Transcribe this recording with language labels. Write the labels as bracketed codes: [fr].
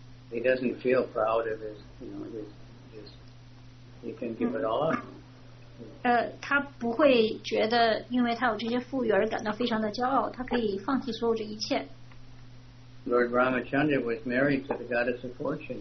[en] He doesn't feel proud of his, you know, his he can give it all up. [zh] 他不会觉得因为他有这些富裕而感到非常的骄傲，他可以放弃所有这一切。 [en] Lord Ramachandra was married to the goddess of fortune.